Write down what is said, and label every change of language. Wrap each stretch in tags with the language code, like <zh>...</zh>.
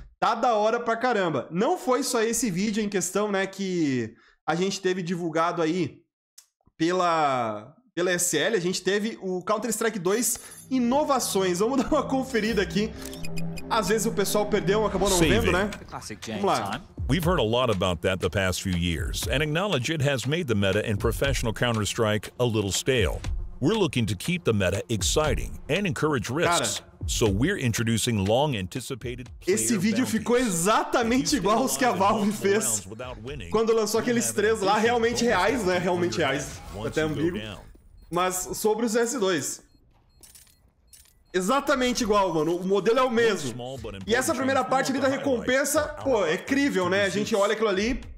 <pt>Tá da hora pra caramba. Não foi só esse vídeo em questão, né, que a gente teve divulgado aí pela SL. A gente teve o Counter-Strike 2 Inovações. Vamos dar uma conferida aqui. Às vezes o pessoal perdeu, acabou não vendo, né? Vamos lá.</pt> <en>We've heard a lot about that the past few years, and acknowledge it has made the meta in professional Counter-Strike a little stale. We're looking to keep the meta exciting and encourage risks.</en> <pt>Cara,</pt> <en>so we're introducing long anticipated player bounties.</en> <pt>Esse vídeo ficou exatamente igual aos que a Valve fez quando lançou aqueles três lá, realmente reais, né? Realmente reais. Até ambíguo. Mas sobre os S2. Exatamente igual, mano. O modelo é o mesmo. E essa primeira parte ali da recompensa, pô, é incrível, né? A gente olha aquilo ali.</pt>